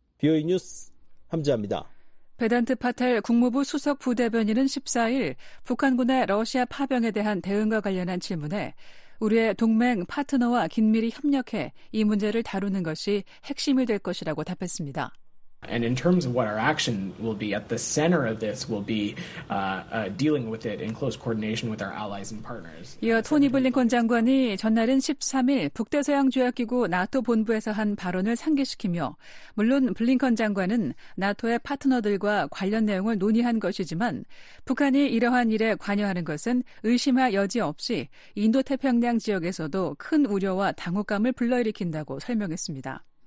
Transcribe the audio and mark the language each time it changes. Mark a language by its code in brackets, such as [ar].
[ko] BOE 뉴스 함지아입니다. 베단트 파텔 국무부 수석 부대변인은 14일 북한군의 러시아 파병에 대한 대응과 관련한 질문에 우리의 동맹 파트너와 긴밀히 협력해 이 문제를 다루는 것이 핵심이 될 것이라고 답했습니다. [en] And in terms of what our action will be at the center of this will be dealing with it in close coordination with our allies and partners. [ko] 이어 토니 블링컨 장관이 전날인 13일 북대서양 조약기구 나토 본부에서 한 발언을 상기시키며 물론 블링컨 장관은 나토의 파트너들과 관련 내용을 논의한 것이지만 북한이 이러한 일에 관여하는 것은 의심할 여지 없이 인도태평양 지역에서도 큰 우려와 당혹감을 불러일으킨다고 설명했습니다.